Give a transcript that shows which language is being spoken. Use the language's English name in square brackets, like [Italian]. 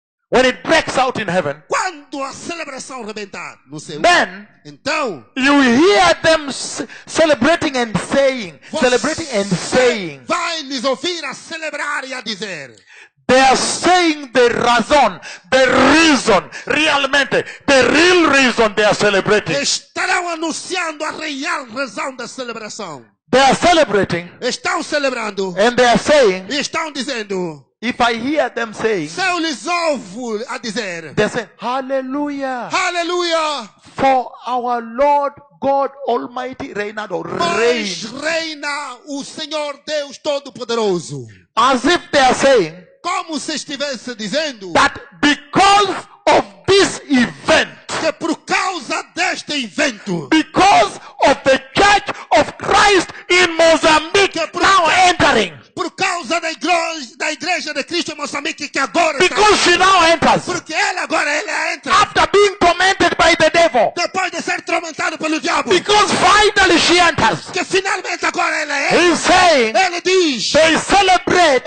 [English] When it breaks out in heaven. [Portuguese] Quando a celebração arrebentar no céu. [English] Then. [Portuguese] Então. [English] You hear them celebrating and saying. Celebrating and saying. [Portuguese] Vai lhes ouvir a celebrar e a dizer. [English] They are saying the reason, [Portuguese] realmente, [English] the real reason they are celebrating. [Portuguese] Estarão anunciando a real razão da celebração. [English] They are celebrating. [Portuguese] Estão celebrando. [English] And they are saying. [Portuguese] E estão dizendo. [English] If I hear them saying. [Portuguese] Se eu lhes ouvo a dizer. [English] They say, hallelujah. [Portuguese] Hallelujah. [English] For our Lord God Almighty [Portuguese] reinado. Mas reina o Senhor Deus Todo-Poderoso. [English] As if they are saying. [Portuguese] Como se estivesse dizendo [English] that because of this event, [Portuguese] que por causa deste invento. [English] Because of the Church of Christ in Mozambique now entering. [Portuguese] Por causa da igreja de Cristo em Moçambique que agora [English] because [Portuguese] está [English] she now enters. [Portuguese] Porque ela agora ela entra. [English] After being tormented by the devil. [Portuguese] Depois de ser tormentado pelo diabo. [English] Because finally she enters. [Portuguese] Que finalmente agora ela entra. [English] He's saying. [Portuguese] Ele diz. [English] They celebrate.